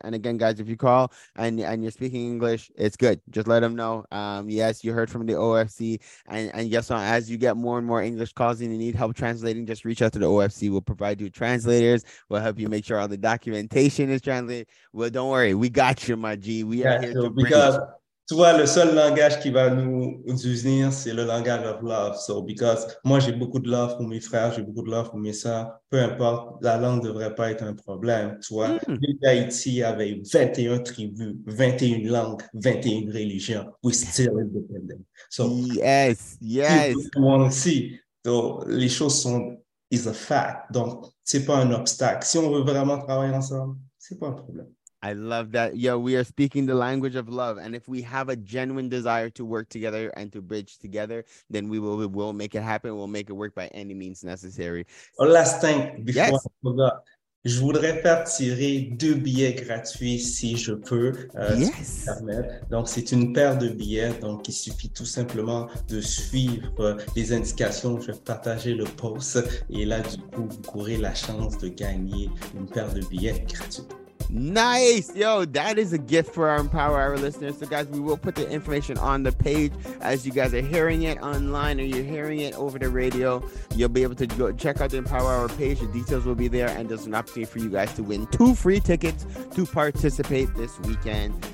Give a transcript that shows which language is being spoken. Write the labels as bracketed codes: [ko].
[en] And again, guys, if you call and you're speaking English, it's good. Just let them know. Yes, you heard from the OFC. And yes, as you get more and more English calls and you need help translating, just reach out to the OFC. We'll provide you translators. We'll help you make sure all the documentation is translated. Well, don't worry. We got you, my G. We are here to bring you. [fr] Toi, le seul langage qui va nous unir, c'est le langage [en] of love. [fr] So, because moi, j'ai beaucoup de love pour mes frères, j'ai beaucoup de love pour mes soeurs. Peu importe, la langue ne devrait pas être un problème. Toi, l'île d'Haïti avait 21 tribus, 21 langues, 21 religions. [en] We're still independent. So, yes, yes. [fr] On aussi. Donc, les choses sont, [en] is a fact. [fr] Donc, ce n'est pas un obstacle. Si on veut vraiment travailler ensemble, ce n'est pas un problème. [en] I love that. Yo, we are speaking the language of love. And if we have a genuine desire to work together and to bridge together, then we will make it happen. We'll make it work by any means necessary. Oh, last thing before yes. I forgot. [fr] Je voudrais faire tirer 2 billets gratuits si je peux. [en] Yes. [fr] Si je permets. Donc, c'est une paire de billets. Donc, il suffit tout simplement de suivre les indications. Je vais partager le post. Et là, du coup, vous aurez la chance de gagner une paire de billets gratuits. [en] Nice, yo, that is a gift for our Empower Hour listeners. So guys, we will put the information on the page as you guys are hearing it online or you're hearing it over the radio. You'll be able to go check out the Empower Hour page. The details will be there and there's an opportunity for you guys to win 2 free tickets to participate this weekend.